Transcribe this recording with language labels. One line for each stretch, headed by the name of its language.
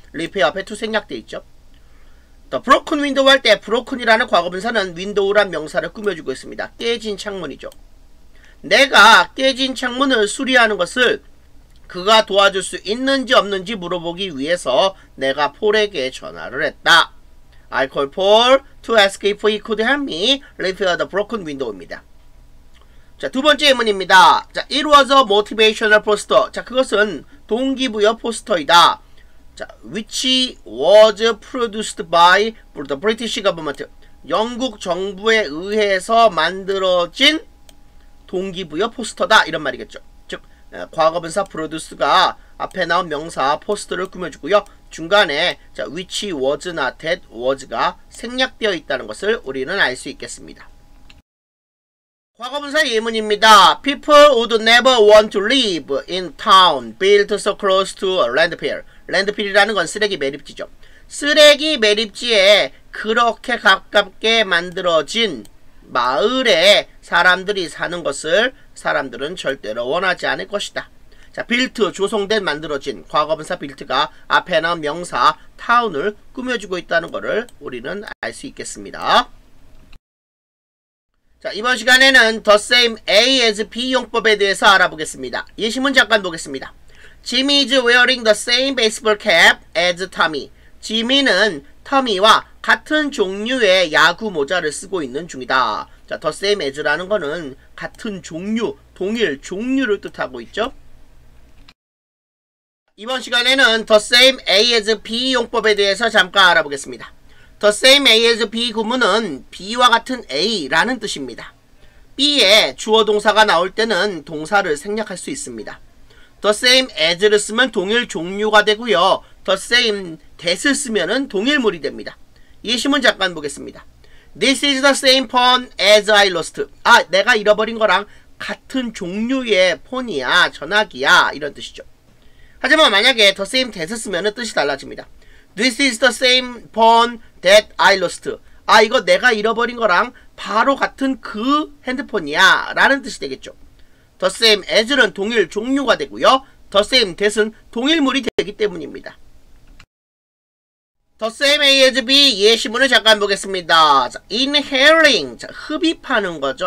Korean: repair 앞에 to 생략되어 있죠. The broken window 할 때 broken이라는 과거분사는 window란 명사를 꾸며주고 있습니다. 깨진 창문이죠. 내가 깨진 창문을 수리하는 것을 그가 도와줄 수 있는지 없는지 물어보기 위해서 내가 폴에게 전화를 했다.
English: I call Paul to ask if he could help me repair the broken window입니다.
Korean: 자, 두 번째 예문입니다. 자,
English: it was a motivational poster.
Korean: 자, 그것은 동기부여 포스터이다.
English: 자, which was produced by the British government.
Korean: 영국 정부에 의해서 만들어진 동기부여 포스터다. 이런 말이겠죠. 즉, 과거분사 produce가 앞에 나온 명사 포스터를 꾸며주고요. 중간에 자, which was나 that was가 생략되어 있다는 것을 우리는 알 수 있겠습니다. 과거분사 예문입니다.
English: People would never want to live in town built so close to a landfill.
Korean: 랜드필이라는 건 쓰레기 매립지죠. 쓰레기 매립지에 그렇게 가깝게 만들어진 마을에 사람들이 사는 것을 사람들은 절대로 원하지 않을 것이다. 자, 빌트, 조성된, 만들어진 과거분사 빌트가 앞에 나온 명사 타운을 꾸며주고 있다는 것을 우리는 알 수 있겠습니다. 자, 이번 시간에는 The same A as B 용법에 대해서 알아보겠습니다. 예시문 잠깐 보겠습니다.
English: Jimmy is wearing the same baseball cap as Tommy.
Korean: Jimmy는 Tommy와 같은 종류의 야구 모자를 쓰고 있는 중이다. 자, the same as라는 거는 같은 종류, 동일 종류를 뜻하고 있죠. 이번 시간에는 The Same As B 용법에 대해서 잠깐 알아보겠습니다. The Same As B 구문은 B와 같은 A라는 뜻입니다. B에 주어 동사가 나올 때는 동사를 생략할 수 있습니다. The Same As를 쓰면 동일 종류가 되고요. The Same That을 쓰면 동일물이 됩니다. 예시문 잠깐 보겠습니다.
English: This is the same phone as I lost.
Korean: 아, 내가 잃어버린 거랑 같은 종류의 폰이야, 전화기야, 이런 뜻이죠. 하지만 만약에 the same that을 쓰면 뜻이 달라집니다.
English: This is the same phone that I lost.
Korean: 아, 이거 내가 잃어버린 거랑 바로 같은 그 핸드폰이야, 라는 뜻이 되겠죠. The same as는 동일 종류가 되고요. The same that은 동일물이 되기 때문입니다. The same as B 예시문을 잠깐 보겠습니다. 자, inhaling, 자, 흡입하는 거죠.